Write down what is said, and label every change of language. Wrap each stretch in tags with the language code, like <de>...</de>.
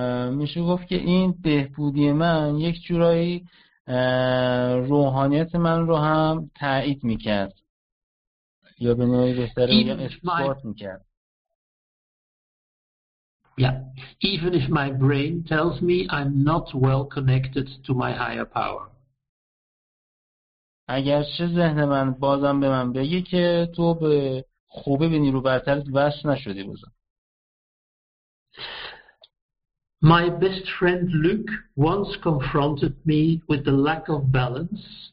<fa>میشه گفت که این بهبودی من یک جورایی روحانیت من رو هم تایید میکرد یا به نوعی بهتر میگم اثبات میکرد.</fa> <en>Even if my brain tells me I'm not well connected to my higher power.</en> <fa>اگرچه ذهن من بازم به من بگه که تو به خوبی به نیرو برترت وصل نشدی بازم.</fa> <en>My best friend Luke once confronted me with the lack of balance.</en>